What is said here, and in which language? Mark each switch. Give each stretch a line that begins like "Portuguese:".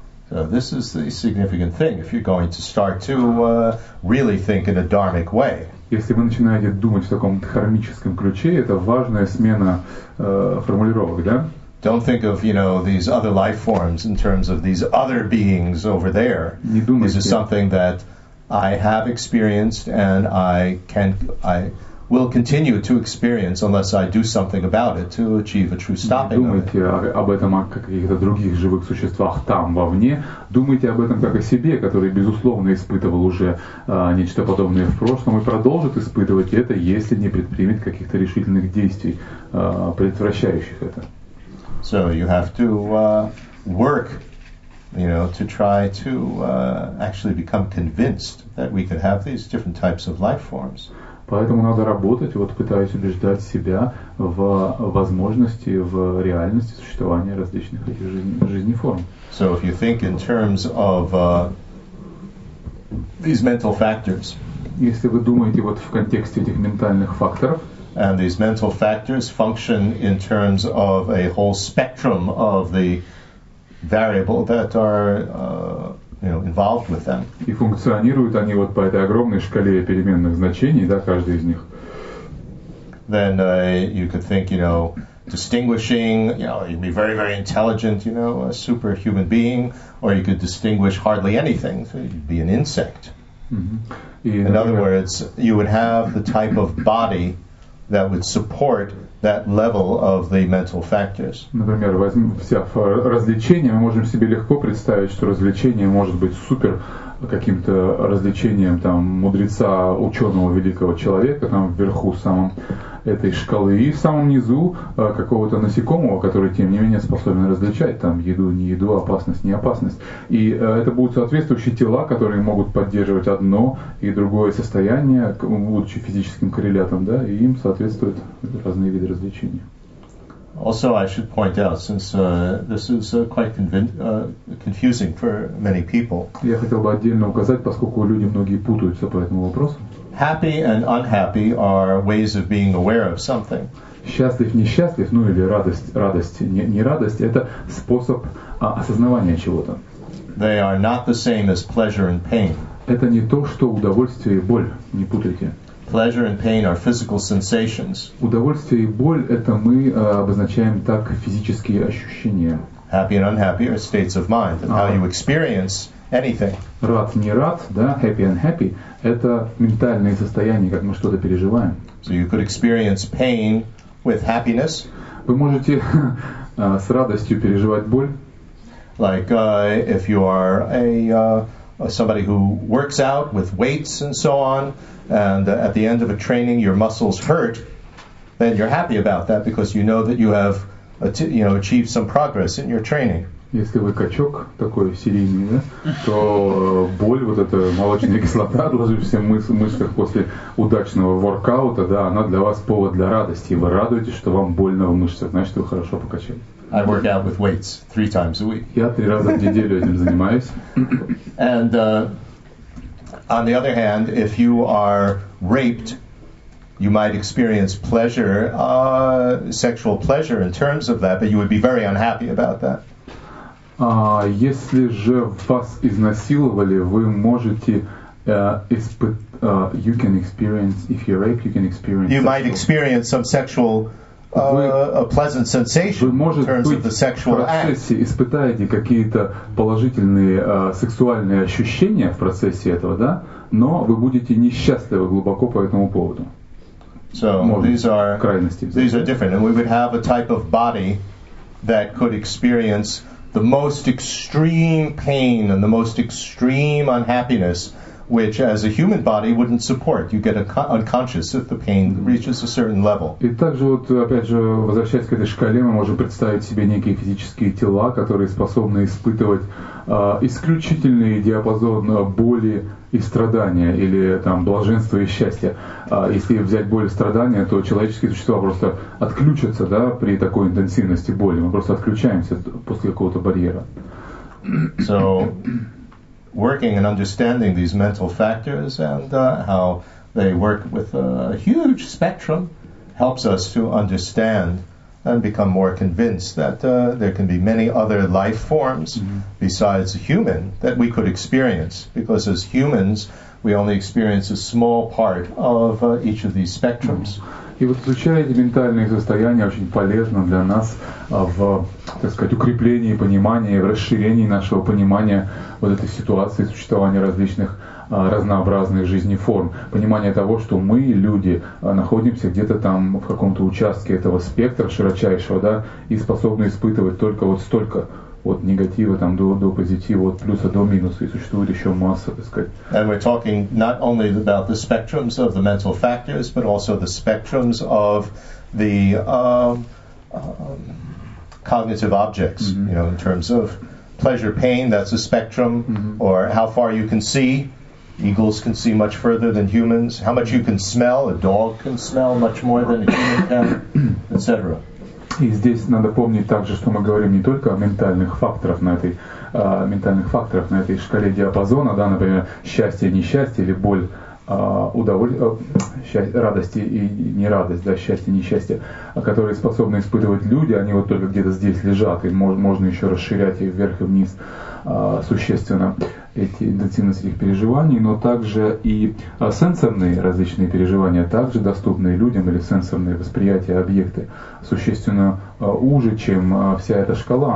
English: So this is the significant thing if you're going to start to really think in a dharmic way.
Russian: Если вы начинаете думать в таком дхармическом ключе, это важная смена формулировок, да?
English: Don't think of, you know, these other life forms in terms of these other beings over there.
Russian: Не думайте.
English: This is something that I have experienced and I will continue to experience unless I do something about it to achieve a true stopping.
Russian: Думайте об этом как о каких-то других живых существах там вовне. Думайте об этом как о себе, который безусловно испытывал уже нечто подобное в прошлом и продолжит испытывать это, если не предпримет каких-то решительных действий, предотвращающих это.
English: So you have to work, you know, to try to actually become convinced that we could have these different types of life forms.
Russian: Поэтому надо работать, вот пытаясь убеждать себя в возможности, в реальности существования различных этих жизнеформ.
English: So if you think in terms of these mental factors,
Russian: если вы думаете вот в контексте этих ментальных факторов,
English: And these mental factors function in terms of a whole spectrum of the variable that are involved with them.
Russian: И функционируют они вот по этой огромной шкале переменных значений, да, каждый из них.
English: Then you could think, distinguishing, you'd be very, very intelligent, a superhuman being, or you could distinguish hardly anything, so you'd be an insect. Mm-hmm. In other words, you would have the type of body that would support that level of the mental factors.
Russian: Например, взяв развлечение, мы можем себе легко представить, что развлечение может быть супер каким-то развлечением там мудреца, ученого, великого человека там вверху самом этой шкалы и в самом низу какого-то насекомого, который тем не менее способен различать там еду, не еду, опасность, не опасность. И это будут соответствующие тела, которые могут поддерживать одно и другое состояние, будучи физическим коррелятом, да, и им соответствуют разные виды развлечений.
English: Also, I should point out, since this is quite confusing for many people.
Russian: Я хотел бы отдельно указать, поскольку люди многие путаются по этому вопросу.
English: Happy and unhappy are ways of being aware of something.
Russian: Счастлив, несчастлив, ну или радость, не радость, это способ осознавания чего-то.
English: They are not the same as pleasure and pain.
Russian: Это не то, что удовольствие и боль, не путайте.
English: Pleasure and pain are physical sensations.
Russian: Удовольствие и боль — это мы обозначаем так физические ощущения.
English: Happy and unhappy are states of mind, and how you experience anything.
Russian: Рад, не рад, да?
English: Happy and happy
Russian: — это ментальные состояния, как мы что-то переживаем.
English: So you could experience pain with happiness.
Russian: Вы можете с радостью переживать боль.
English: Like if you are somebody who works out with weights and so on. And at the end of a training, your muscles hurt, then you're happy about that because you know that you have, achieved some progress in your training.
Russian: Если вы качок такой серийный, да, то боль, вот эта молочная кислота, отложившаяся в мышцах после удачного воркаута, да, она для вас повод для радости. Вы радуетесь, что вам больно в мышцах, значит, вы хорошо покачали.
English: I work out with weights 3 times a week.
Russian: Я 3 раза в неделю этим занимаюсь.
English: And on the other hand, if you are raped, you might experience pleasure, sexual pleasure in terms of that, but you would be very unhappy about that.
Russian: Если же вас изнасиловали, вы можете
English: you can experience, if you're raped, you can experience. You might experience some sexual a pleasant sensation in terms of the sexual act.
Russian: Вы, может быть, испытаете какие-то положительные сексуальные ощущения в процессе этого, да? Но вы будете несчастливы глубоко по этому поводу.
English: So these are different, and we would have a type of body that could experience the most extreme pain and the most extreme unhappiness, which as a human body wouldn't support. You get unconscious if the pain reaches a certain level.
Russian: И также вот, опять же, возвращаясь к этой шкале, мы можем представить себе некие физические тела, которые способны испытывать исключительный диапазон боли и страдания, или там блаженства и счастья. Если взять боль и страдания, то человеческие существа просто отключатся, да, при такой интенсивности боли. Мы просто отключаемся после какого-то барьера.
English: So, working and understanding these mental factors and how they work with a huge spectrum helps us to understand and become more convinced that there can be many other life forms besides human that we could experience, because as humans we only experience a small part of each of these spectrums.
Russian: И вот изучая эти ментальные состояния, очень полезно для нас в, так сказать, укреплении понимания, в расширении нашего понимания вот этой ситуации существования различных разнообразных жизнеформ. Понимание того, что мы, люди, находимся где-то там в каком-то участке этого спектра широчайшего, да, и способны испытывать только вот столько от негатива там до позитива, от плюса до минуса, и существует еще масса, так сказать.
English: And we're talking not only about the spectrums of the mental factors, but also the spectrums of the cognitive objects, mm-hmm. In terms of pleasure, pain, that's a spectrum, mm-hmm. Or how far you can see. Eagles can see much further than humans. How much you can smell, a dog can smell much more than a human can, etc.
Russian: И здесь надо помнить также, что мы говорим не только о ментальных факторах на этой ментальных факторах на этой шкале диапазона, да, например, счастье, несчастье или боль, радости и нерадость, да, счастье и несчастье, которые способны испытывать люди, они вот только где-то здесь лежат, и можно еще расширять их вверх и вниз существенно, эти интенсивность этих переживаний, но также и сенсорные различные переживания, также доступные людям, или сенсорные восприятия объекты, существенно уже, чем вся эта шкала.